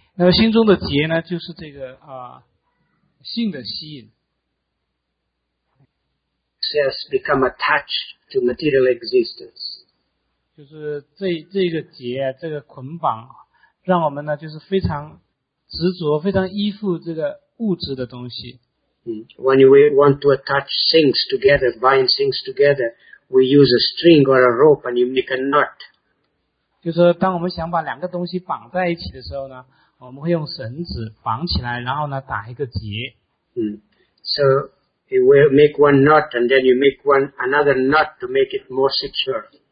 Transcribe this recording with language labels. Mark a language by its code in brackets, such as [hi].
[zh] 那么心中的结呢，就是这个性的吸引. [en] Has become attached to material existence. [zh] 就是这个结，这个捆绑，让我们呢，就是非常执着，非常依附这个物质的东西。 [en] When we want to attach things together, bind things together, we use a string or a rope and you make a knot. [zh] 就是当我们想把两个东西绑在一起的时候呢，我们会用绳子绑起来，然后呢，打一个结。 [en] So, you will make one knot and then you make one another knot to make it more secure.